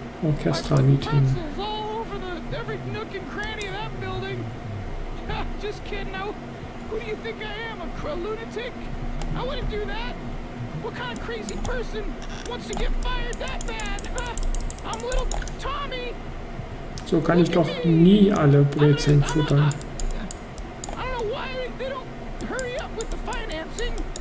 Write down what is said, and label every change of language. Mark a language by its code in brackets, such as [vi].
[en] Orchestra meeting. Pretzels all over the every nook and cranny of that building. Just kidding. Who do you think I am? A lunatic? I wouldn't do that. What kind of crazy person wants to get fired that bad? I'm little Tommy. [de] So kann ich doch nie alle Brezeln futtern. [en] I don't know why they don't hurry up with the financing.